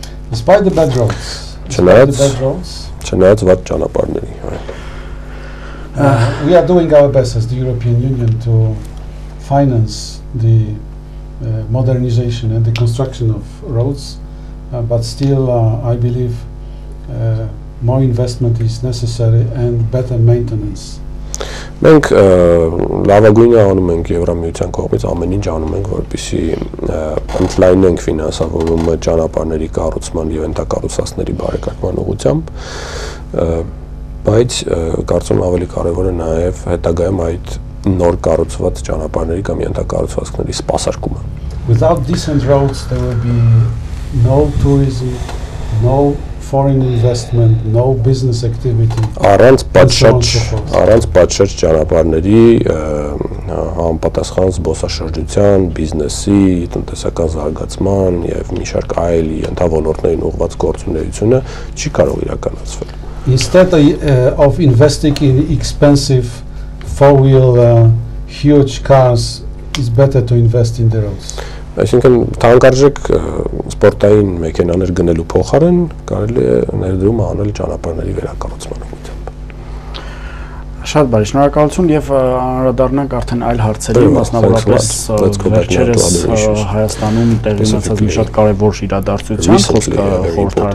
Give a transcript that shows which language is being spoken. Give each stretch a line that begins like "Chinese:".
English: Despite the bad roads.
Armenian: Չնայած վատ ճանապարհներին, հա։
English: We are doing our best as the European Union to finance the modernization and the construction of roads, but still I believe more investment is necessary and better maintenance.
Armenian: Մենք լավագույնը անում ենք Եվրամիության կողմից, ամեն ինչ անում ենք, որպեսզի ընդլայնենք ֆինանսավորումը ճանապարհների կառուցման եւ ենթակառուցվածքների բարեկարգման ուղղությամբ, բայց կարծում եմ ավելի կարևորը նաեւ հետագայում այդ նոր կառուցված ճանապարհների կամ ենթակառուցվածքների սպասարկումը.
English: Without decent roads there will be no tourism, no foreign investment, no business activity.
Armenian: Առանց պատշաճ ճանապարհների համապատասխան զբոսաշրջության, բիզնեսի, տնտեսական զարգացման եւ մի շարք այլ ընդհանուրներին ուղված գործունեությունը չի կարող իրականացվել.
English: Instead of investing in expensive four-wheel huge cars, it's better to invest in the roads.
Armenian: Այսինքն թանկարժեք սպորտային մեքենաներ գնելու փոխարեն կարելի է ներդրում անել ճանապարհների վերակառուցման ուղղությամբ։ Շատ բարի, շնորհակալություն եւ անդրադառնանք արդեն այլ հարցերի մասնավորապես վերջերս Հայաստանում տեղի ունեցած մի շատ կարևոր իրադարձության